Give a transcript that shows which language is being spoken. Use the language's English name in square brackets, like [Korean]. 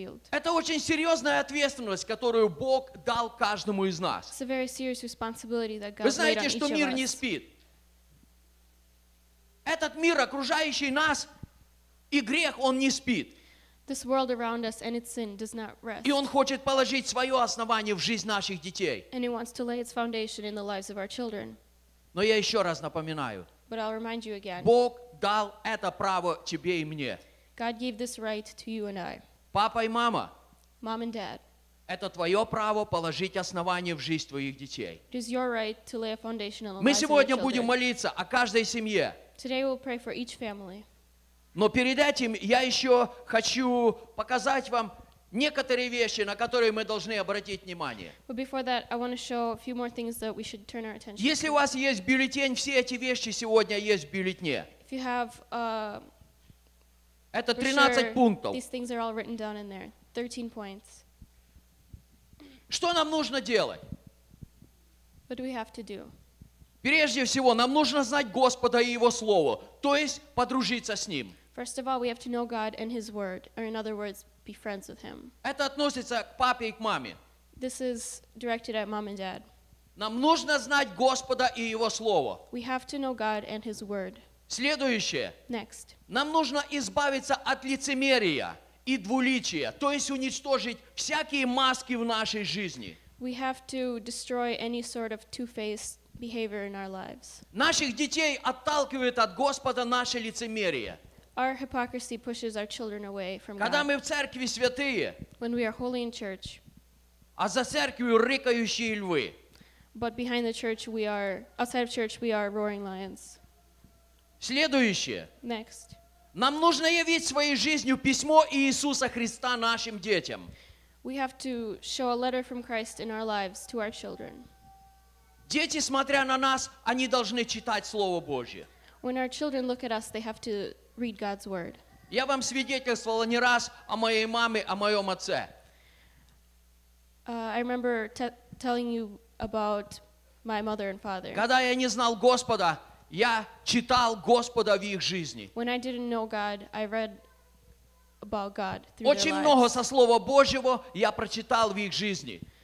[Russian] Это очень серьезная ответственность, которую Бог дал каждому из нас. Вы знаете, что мир не спит. Этот мир, окружающий нас, и грех, он не спит. [English] This world around us and its sin does not rest. [Russian] И он хочет положить свое основание в жизнь наших детей. [English] And he wants to lay its foundation in the lives of our children. [Russian] Но я еще раз напоминаю. [English] But I'll remind you again. [Russian] Бог дал это право тебе и мне. [English] God gave this right to you and I. [Russian] Папа и мама. [English] Mom and dad. [Russian] Это твое право положить основание в жизнь твоих детей. [English] It is your right to lay a foundation in the lives of your children. [Russian] Мы сегодня будем молиться о каждой семье. [English] Today we'll pray for each family. [Russian] Но перед этим я еще хочу показать вам Некоторые вещи, на которые мы должны обратить внимание. [English] But before that, I want to show a few more things that we should turn our attention to. [Russian] Если у вас есть бюллетень, все эти вещи сегодня есть в бюллетне. [English] If you have, [Russian] это 13 [English] sure, [Russian] пунктов. [English] These things are all written down in there. 13 points. [Russian] Что нам нужно делать? [English] What do we have to do? [Russian] Прежде всего, нам нужно знать Господа и Его Слово, то есть подружиться с Ним. [English] First of all, we have to know God and His Word, or in other words, be friends with Him. [Russian] Это относится к папе и к маме. [English] This is directed at mom and dad. [Russian] Нам нужно знать Господа и Его Слово. [English] We have to know God and His Word. [Russian] Следующее. [English] Next. [Russian] Нам нужно избавиться от лицемерия и двуличия, то есть уничтожить всякие маски в нашей жизни. [English] We have to destroy any sort of two-faced behavior in our lives. [Russian] Наших детей отталкивает от Господа наше лицемерие. [English] Our hypocrisy pushes our children away from [Russian] Когда [English] God. [Russian] Мы в церкви святые, [English] when we are holy in church, [Russian] а за церковью рыкающие львы. [English] But behind the church, we are outside of church, we are roaring lions. [Russian] Следующее. [English] Next. [Russian] Нам нужно явить своей жизнью письмо Иисуса Христа нашим детям. [English] We have to show a letter from Christ in our lives to our children. [Russian] Дети, смотря на нас, они должны читать Слово Божье. [English] When our children look at us, they have to read God's word. [Russian] Я вам свидетельствовал не раз о моей маме, о моем отце. [English] I remember telling you about my mother and father. [Russian] Когда я не знал Господа, я читал Господа в их жизни. [English] When I didn't know God, I read about God through their lives. [Russian] Очень много со Слова Божьего я прочитал в их жизни.